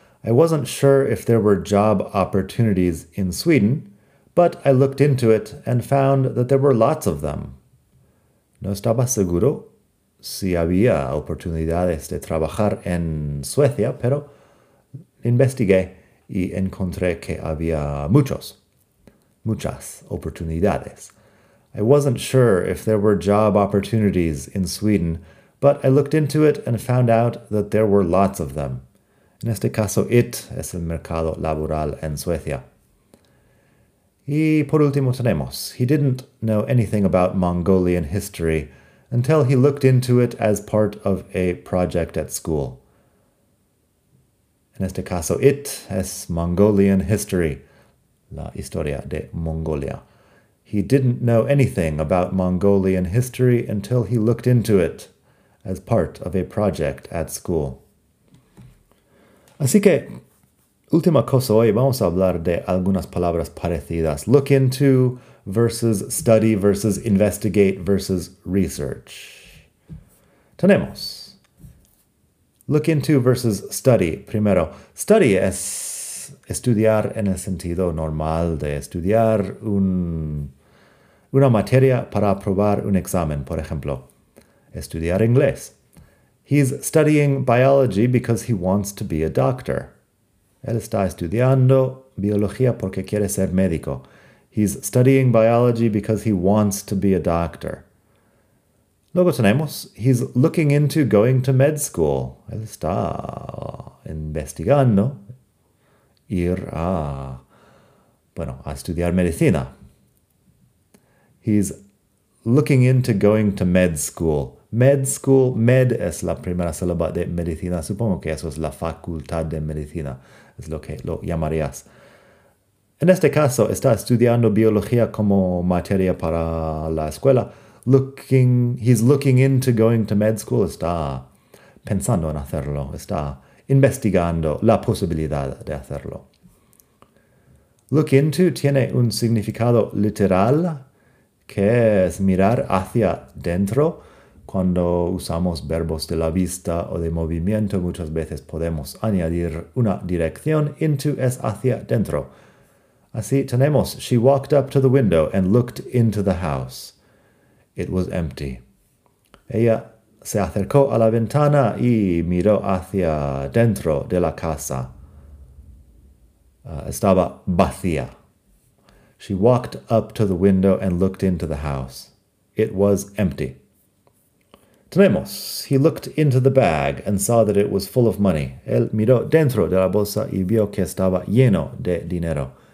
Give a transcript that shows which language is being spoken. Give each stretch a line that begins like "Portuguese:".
English: I wasn't sure if there were job opportunities in Sweden, but I looked into it and found that there were lots of them.
Spanish: No estaba seguro si había oportunidades de trabajar en Suecia, pero investigué y encontré que había muchas oportunidades.
English: I wasn't sure if there were job opportunities in Sweden, but I looked into it and found out that there were lots of them.
Spanish: En este caso, it es el mercado laboral en Suecia. Y por último tenemos,
English: he didn't know anything about Mongolian history until he looked into it as part of a project at school.
Spanish: En este caso, it es
English: Mongolian history,
Spanish: la historia de Mongolia.
English: He didn't know anything about Mongolian history until he looked into it as part of a project at school.
Spanish: Así que, última cosa hoy, vamos a hablar de algunas palabras parecidas.
English: Look into versus study versus investigate versus research.
Spanish: Tenemos.
English: Look into versus study.
Spanish: Primero, study es estudiar en el sentido normal de estudiar una materia para aprobar un examen, por ejemplo. Estudiar inglés.
English: He's studying biology because he wants to be a doctor.
Spanish: Él está estudiando biología porque quiere ser médico.
English: He's studying biology because he wants to be a doctor.
Spanish: Luego tenemos,
English: he's looking into going to med school.
Spanish: Él está investigando ir a estudiar medicina.
English: He's looking into going to med school.
Spanish: Med school, med es la primera sílaba de medicina. Supongo que eso es la facultad de medicina. Es lo que lo llamarías. En este caso, está estudiando biología como materia para la escuela.
English: He's looking into going to med school.
Spanish: Está pensando en hacerlo. Está investigando la posibilidad de hacerlo. Look into tiene un significado literal ¿Qué es mirar hacia dentro? Cuando usamos verbos de la vista o de movimiento, muchas veces podemos añadir una dirección. Into es hacia dentro. Así tenemos,
English: she walked up to the window and looked into the house. It was empty.
Spanish: Ella se acercó a la ventana y miró hacia dentro de la casa. Estaba vacía.
English: She walked up to the window and looked into the house. It was empty.
Spanish: Tenemos,
English: he looked into the bag and saw that it was full of money.
Spanish: Él miró dentro de la bolsa y vio que estaba lleno de dinero.